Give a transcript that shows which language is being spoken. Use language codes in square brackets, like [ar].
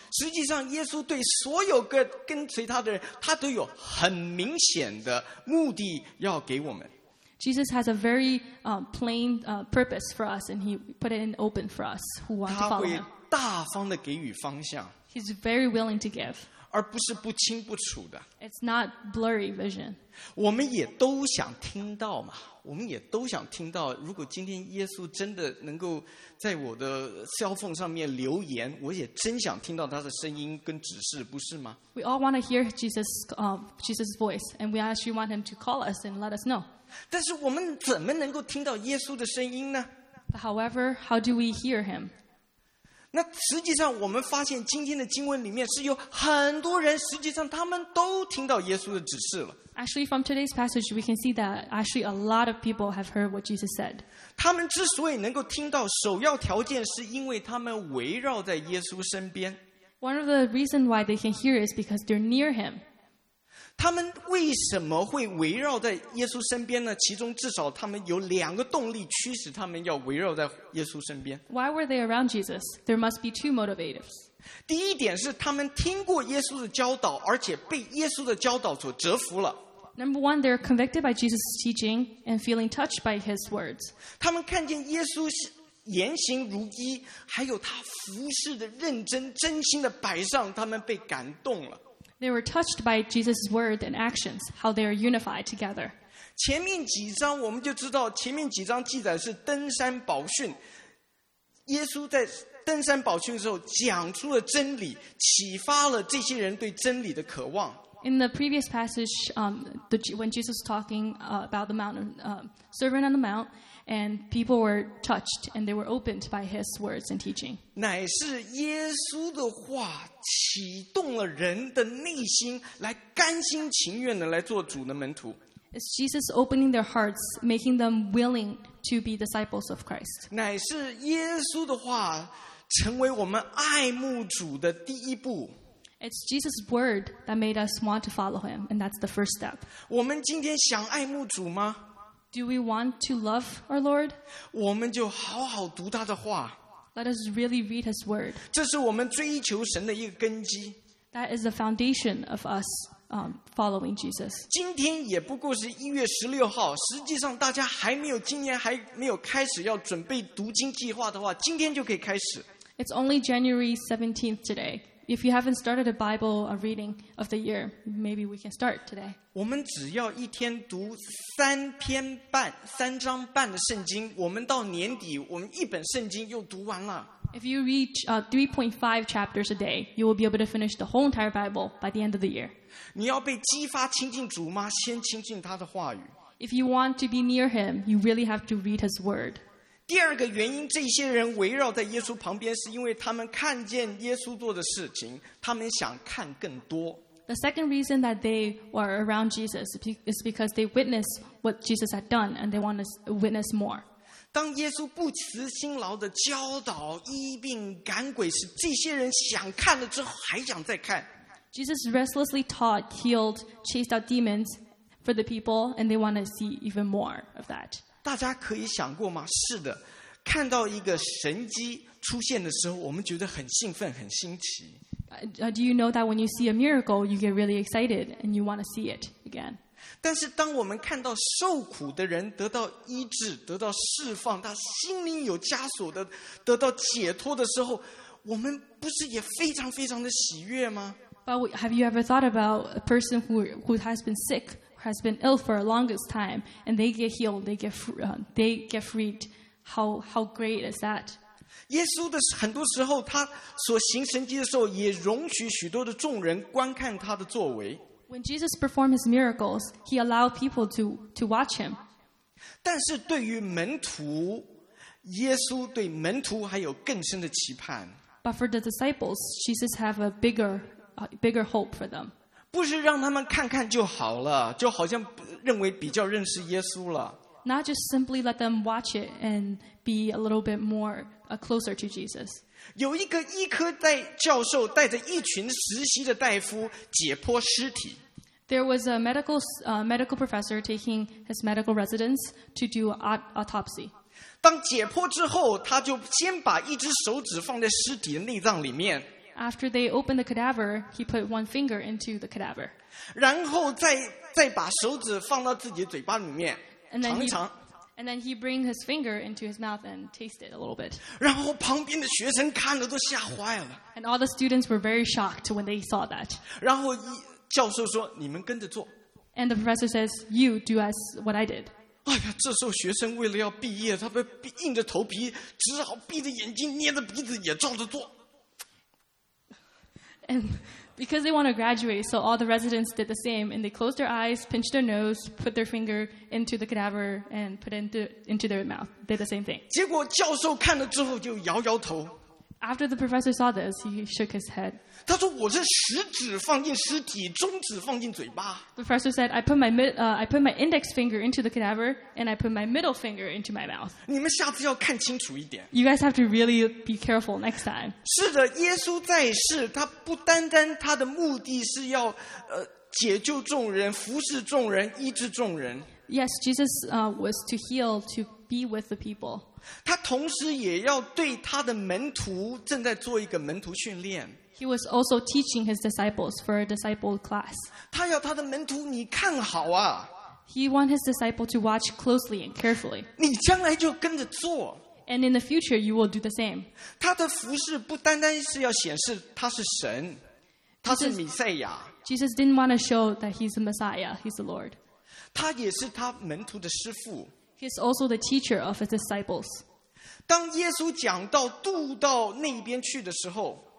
[zh] 实际上，耶稣对所有个跟随他的人，他都有很明显的目的要给我们。 [en] Jesus has a very plain purpose for us, and he put it in open for us who want to follow him. [zh] 他会大方的给予方向。 [en] He's very willing to give. [zh] 而不是不清不楚的。 [en] It's not blurry vision. [zh] 我们也都想听到嘛。我们也都想听到，如果今天耶稣真的能够在我的 cell phone 上面留言，我也真想听到他的声音跟指示，不是吗？ [en] We all want to hear Jesus' voice, and we actually want him to call us and let us know. [zh] 但是我们怎么能够听到耶稣的声音呢？ [en] However, how do we hear him? [zh] 那实际上我们发现今天的经文里面是有很多人，实际上他们都听到耶稣的指示了。 [en] Actually, from today's passage, we can see that actually a lot of people have heard what Jesus said. [zh] 他们之所以能够听到，首要条件是因为他们围绕在耶稣身边。 [en] One of the reasons why they can hear is because they're near him. [zh] 他们为什么会围绕在耶稣身边呢？其中至少他们有两个动力驱使他们要围绕在耶稣身边。 [en] Why were they around Jesus? There must be two motivations. [zh] 第一点是他们听过耶稣的教导，而且被耶稣的教导所折服了。 [en] Number one, they're convicted by Jesus' teaching and feeling touched by his words. [zh] 他们看见耶稣言行如一，还有他服事的认真，真心的摆上，他们被感动了。 [en] They were touched by Jesus' words and actions, how they are unified together. [zh] 前面几章我们就知道，前面几章记载是登山宝训。耶稣在登山宝训的时候讲出了真理，启发了这些人对真理的渴望。 [en] In the previous passage, when Jesus was talking about the mountain, Sermon on the Mount, and people were touched and they were opened by his words and teaching. [zh] 乃是耶稣的话启动了人的内心，来甘心情愿的来做主的门徒。 [en] It's Jesus opening their hearts, making them willing to be disciples of Christ. [zh] 乃是耶稣的话成为我们爱慕主的第一步。 [en] It's Jesus' word that made us want to follow him, and that's the first step. [zh] 我们今天想爱慕主吗？ [en] Do we want to love our Lord? [zh] 我们就好好读他的话。 [en] Let us really read his word. [zh] 这是我们追求神的一个根基。 [en] That is the foundation of us following Jesus. [zh] 今天也不过是1月16号，实际上大家还没有，今年还没有开始要准备读经计划的话，今天就可以开始。 [en] It's only January 17th today. If you haven't started a Bible reading of the year, maybe we can start today. [zh] 我们只要一天读三篇半，三章半的圣经，我们到年底，我们一本圣经又读完了。 [en] If you read 3.5 chapters a day, you will be able to finish the whole entire Bible by the end of the year. [zh] 你要被激发亲近主吗？先亲近他的话语。 [en] If you want to be near him, you really have to read his word. [zh] 第二个原因，这些人围绕在耶稣旁边，是因为他们看见耶稣做的事情，他们想看更多。 [en] The second reason that they were around Jesus is because they witnessed what Jesus had done, and they want to witness more. [zh] 当耶稣不辞辛劳的教导、医病、赶鬼时，这些人想看了之后还想再看。 [en] Jesus restlessly taught, healed, chased out demons for the people, and they want to see even more of that. [zh] 大家可以想过吗？是的，看到一个神迹出现的时候，我们觉得很兴奋、很新奇。 [en] Do you know that when you see a miracle, you get really excited and you want to see it again? [zh] 但是当我们看到受苦的人得到医治，得到释放，他心灵有枷锁的，得到解脱的时候，我们不是也非常非常的喜悦吗？ [en] But have you ever thought about a person who has been sick, who has been ill for the longest time, and they get healed, they get freed? How great is that? [zh] 耶稣的很多时候，他所行神迹的时候，也容许许多的众人观看他的作为。 [en] When Jesus performed his miracles, he allowed people to watch him. [zh] 但是对于门徒，耶稣对门徒还有更深的期盼。 [en] But for the disciples, Jesus have a bigger hope for them. [zh] 不是让他们看看就好了，就好像认为比较认识耶稣了。 [en] Not just simply let them watch it and be a little bit more. Closer to Jesus. [zh] 有一个医科带教授带着一群实习的大夫解剖尸体。 [en] There was a medical professor taking his medical residents to do autopsy. [zh] 当解剖之后，他就先把一只手指放在尸体的内脏里面。 [en] After they opened the cadaver, he put one finger into the cadaver. [zh] 然后再把手指放到自己嘴巴里面尝一尝。 [en] And then he bring his finger into his mouth and taste it a little bit. [zh] 然后旁边的学生看了都吓坏了。 [en] And all the students were very shocked when they saw that. [zh] 然后教授说，你们跟着做。 [en] And the professor says, you do as what I did. [zh] 哎呀，这时候学生为了要毕业，他们硬着头皮，只好闭着眼睛，捏着鼻子也照着做。 [en] And because they want to graduate, so all the residents did the same, and they closed their eyes, pinched their nose, put their finger into the cadaver, and put it into their mouth. Did the same thing. [zh] 结果教授看了之后就摇摇头。 [en] After the professor saw this, he shook his head. [zh] 他说我这食指放进尸体，中指放进嘴巴。 [en] The professor said, I put my index finger into the cadaver, and I put my middle finger into my mouth. [zh] 你们下次要看清楚一点。 [en] You guys have to really be careful next time. [zh] 是的，耶稣在世，他不单单他的目的是要解救众人、服侍众人、医治众人。 [en] Yes, Jesus was to heal, to be with the people. [zh] 他同时也要对他的门徒正在做一个门徒训练。 [en] He was also teaching his disciples for a disciple class. [zh] 他要他的门徒你看好啊。 [en] He want his disciple to watch closely and carefully. [zh] 你将来就跟着做。 [en] And in the future, you will do the same. [zh] 他的服事不单单是要显示他是神，他是弥赛亚。 [en] Jesus didn't want to show that he's the Messiah, he's the Lord. [zh] 他也是他门徒的师父。 [en] He's also the teacher of his disciples. [zh] 当耶稣讲到渡到那边去的时候